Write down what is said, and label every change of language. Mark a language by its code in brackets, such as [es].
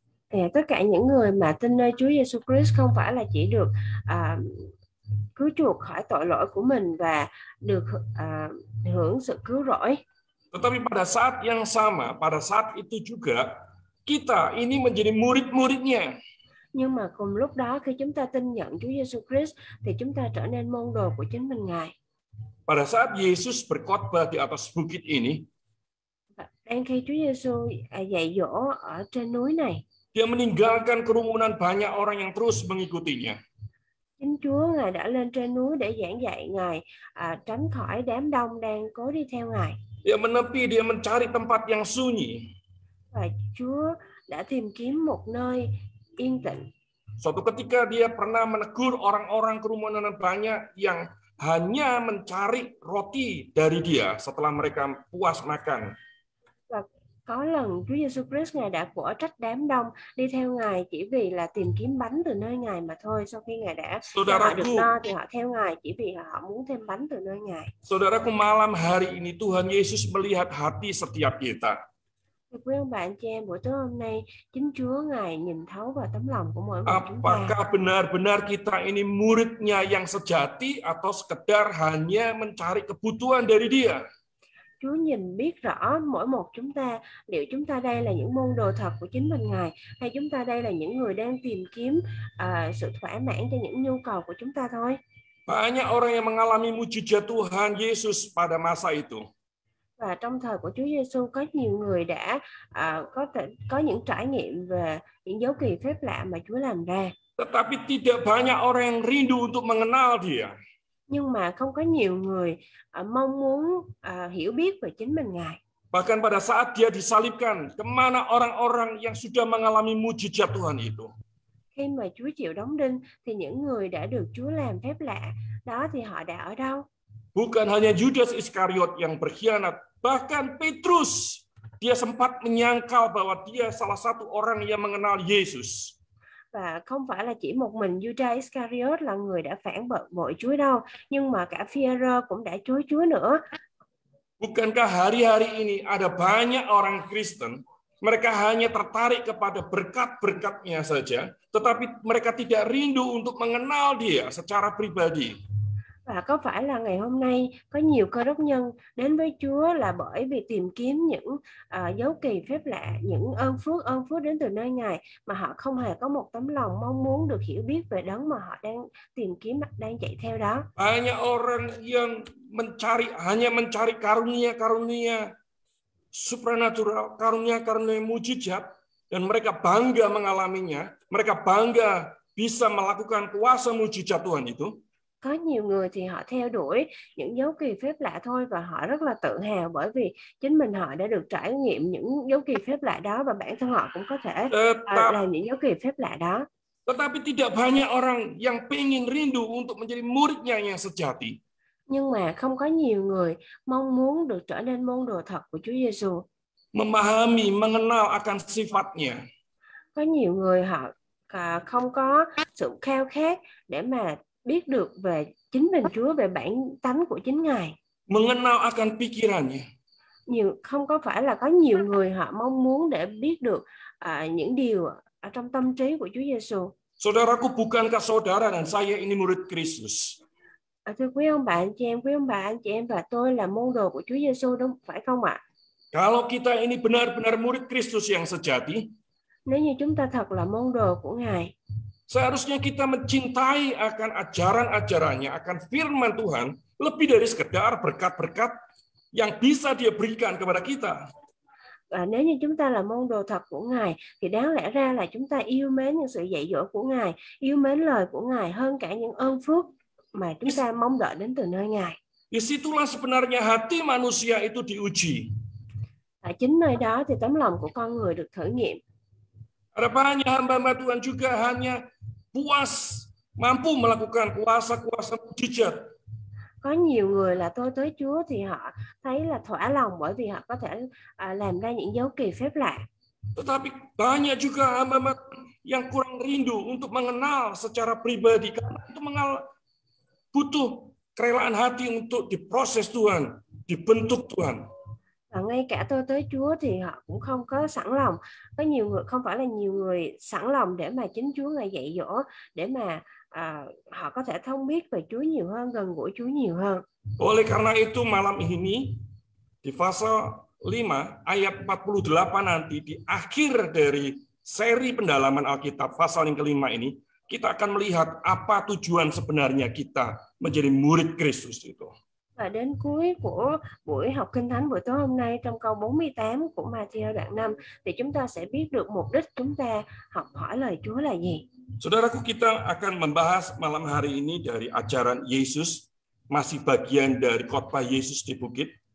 [vi] Tất cả những người mà tin nơi Chúa Jesus Christ không phải là chỉ được cứu chuộc khỏi tội lỗi của mình và được hưởng sự cứu rỗi. [id] Tetapi pada saat yang sama, pada saat itu juga, kita ini menjadi murid-muridnya. [vi] Nhưng mà cùng lúc đó khi chúng ta tin nhận Chúa Jesus Christ thì chúng ta trở nên môn đồ của chính mình Ngài. [id] Pada saat Yesus berkhotbah di atas bukit ini, [vi] đang khi Chúa Jesus dạy dỗ ở trên núi này, [id] dia meninggalkan kerumunan banyak orang yang terus mengikutinya. [vi] Chính Chúa Ngài đã lên trên núi để giảng dạy, Ngài tránh khỏi đám đông đang cố đi theo Ngài. [id] Dia menepi, dia mencari tempat yang sunyi. [vi] Và Chúa đã tìm kiếm một nơi yên tĩnh. [id] Suatu ketika dia pernah menegur orang-orang kerumunan banyak yang hanya mencari roti dari dia setelah mereka puas makan. [vi] Và có lần Chúa Giêsu Christ Ngài đã quở trách đám đông đi theo Ngài chỉ vì là tìm kiếm bánh từ nơi Ngài mà thôi. Sau khi Ngài đã [id] saudara [vi] họ được no thì họ theo Ngài chỉ vì họ muốn thêm bánh từ nơi Ngài. [id] Saudaraku, malam hari ini Tuhan Yesus melihat hati setiap kita. [vi] Quý ông bà anh chị em, buổi tối hôm nay chính Chúa Ngài nhìn thấu vào tấm lòng của mỗi người chúng ta. [id] Apakah benar-benar kita ini muridnya yang sejati atau sekedar hanya mencari kebutuhan dari dia? [vi] Chúa nhìn biết rõ mỗi một chúng ta, liệu chúng ta đây là những môn đồ thật của chính mình Ngài hay chúng ta đây là những người đang tìm kiếm sự thỏa mãn cho những nhu cầu của chúng ta thôi. [id] Banyak orang yang mengalami mujizat Tuhan Yesus pada masa itu. [vi] Và trong thời của Chúa Giêsu có nhiều người đã có những trải nghiệm về những dấu kỳ phép lạ mà Chúa làm ra. [id] Tetapi tidak banyak orang yang rindu untuk mengenal dia. [vi] Nhưng mà không có nhiều người mong muốn hiểu biết về chính mình Ngài. [id] Bahkan pada saat dia disalibkan, kemana orang-orang yang sudah mengalami mujizat Tuhan itu? [vi] Khi mà Chúa chịu đóng đinh thì những người đã được Chúa làm phép lạ đó thì họ đã ở đâu? [id] Bukan hanya Judas Iskariot yang berkhianat, bahkan Petrus, dia sempat menyangkal bahwa dia salah satu orang yang mengenal Yesus. [vi] Và không phải là chỉ một mình Judas Iskariot là người đã phản bội Chúa đâu, nhưng mà cả Phi-e-rơ cũng đã chối Chúa nữa. [id] Bukankah hari-hari ini ada banyak orang Kristen, mereka hanya tertarik kepada berkat-berkatnya saja, tetapi mereka tidak rindu untuk mengenal dia secara pribadi. [vi] Và có phải là ngày hôm nay có nhiều cơ đốc nhân đến với Chúa là bởi vì tìm kiếm những dấu kỳ phép lạ, những ơn phước đến từ nơi Ngài mà họ không hề có một tấm lòng mong muốn được hiểu biết về đấng mà họ đang tìm kiếm, đang chạy theo đó? [id] Banyak orang yang mencari, hanya mencari karunia-karunia supranatural, karunia-karunia mujizat, dan mereka bangga mengalaminya. Mereka bangga bisa melakukan kuasa mujizat Tuhan itu. [vi] Có nhiều người thì họ theo đuổi những dấu kỳ phép lạ thôi và họ rất là tự hào bởi vì chính mình họ đã được trải nghiệm những dấu kỳ phép lạ đó và bản thân họ cũng có thể là những dấu kỳ phép lạ đó. [id] Tetapi tidak banyak orang yang pengen rindu untuk menjadi muridnya yang sejati. [vi] Nhưng mà không có nhiều người mong muốn được trở nên môn đồ thật của Chúa Giêsu. [id] Memahami, mengenal akan sifatnya. [vi] Có nhiều người họ không có sự khao khát để mà biết được về chính mình Chúa, về bản tánh của chính Ngài. [id] Mengenal akan pikirannya. [vi] Nhiều không có phải là có nhiều người họ mong muốn để biết được những điều ở trong tâm trí của Chúa Giêsu. [id] Saudaraku, bukankah saudara dan saya ini murid Kristus? [vi] Thưa quý ông bà anh chị em, quý ông bà anh chị em và tôi là môn đồ của Chúa Giêsu đúng phải không ạ? [id] Kalau kita ini benar-benar murid Kristus yang sejati, [vi] nếu như chúng ta thật là môn đồ của Ngài, [id] seharusnya kita mencintai akan ajaran-ajarannya, akan firman Tuhan, lebih dari sekedar berkat-berkat yang bisa Dia berikan kepada kita. [vi] Và nếu như chúng ta là môn đồ thật của Ngài thì đáng lẽ ra là chúng ta yêu mến những sự dạy dỗ của Ngài, yêu mến lời của Ngài hơn cả những ơn phước mà chúng ta mong đợi đến từ nơi Ngài. [id] Disitulah sebenarnya hati manusia itu diuji. [vi] Ở chính nơi đó thì tấm lòng của con người được thử nghiệm. [id] Ada banyak hamba-hamba Tuhan juga hanya puas mampu melakukan kuasa-kuasa mujizat. [vi] Có nhiều người là tôi tới Chúa thì họ thấy là thỏa lòng bởi vì họ có thể làm ra những dấu kỳ phép lạ. [id] Tetapi banyak juga hamba-hamba yang kurang rindu untuk mengenal secara pribadi karena itu butuh kerelaan hati untuk diproses Tuhan, dibentuk Tuhan. [vi] Và ngay cả tôi tới Chúa thì họ cũng không có sẵn lòng. Có nhiều người, không phải là nhiều người sẵn lòng để mà chính Chúa Ngài dạy dỗ, để mà họ có thể thông biết về Chúa nhiều hơn, gần gũi Chúa nhiều hơn. [id] Oleh karena itu malam ini di pasal 5 ayat 48 nanti di akhir dari seri pendalaman Alkitab pasal yang kelima ini kita akan melihat apa tujuan sebenarnya kita menjadi murid Kristus itu. [vi] Và đến cuối của buổi học Kinh Thánh buổi tối hôm nay trong câu 48 của Matthew đoạn 5 thì chúng ta sẽ biết được mục đích chúng ta học hỏi lời Chúa là gì. [id] Saudaraku, kita akan membahas malam hari ini dari ajaran Yesus, masih bagian dari khotbah Yesus di bukit.